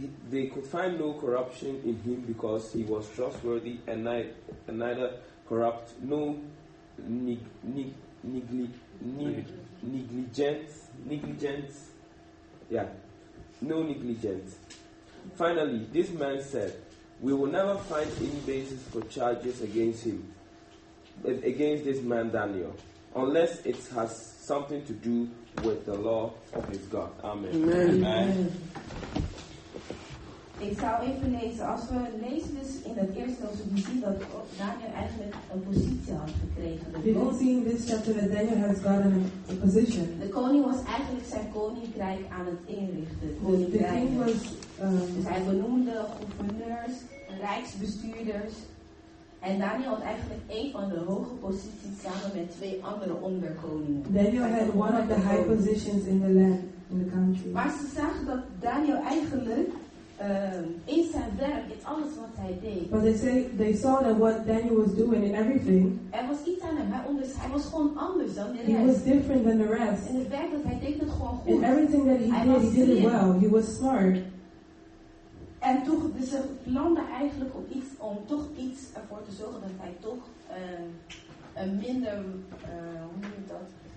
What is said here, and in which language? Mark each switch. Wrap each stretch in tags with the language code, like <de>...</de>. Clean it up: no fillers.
<en>They could find no corruption in him because he was trustworthy and neither corrupt, no negligence. Finally, this man said, "We will never find any basis for charges against him, against this man Daniel, unless it has something to do with the law of his God." Amen. Amen. Amen.</en> <nl>Ik zou even lezen, als we lezen dus in dat eerste hoofdstuk, we zien dat Daniel eigenlijk een positie had gekregen.</nl> <en>We don't see in this chapter that Daniel has gotten a position.</en> <nl>De koning was eigenlijk zijn koninkrijk aan het inrichten. Dus hij benoemde gouverneurs, rijksbestuurders. En Daniel had eigenlijk een van de hoge posities samen met twee andere onderkoningen.</nl> <en>Daniel had one of the high positions in the land, in the country.</en> <nl>Maar ze zagen dat Daniel eigenlijk in zijn werk, in alles wat hij deed.</nl> <en>But they saw that what Daniel was doing in everything.</en> <nl>Er was iets aan hem. Hij was gewoon anders dan de rest.</nl> <en>He was different than the rest.</en> <nl>In het werk dat hij deed, het gewoon goed.</nl> <en>In everything that he did it well. He was smart.</en> <nl>En toch, dus ze landen eigenlijk op iets om toch iets ervoor te zorgen dat hij toch een minder, hoe noem je dat?</nl>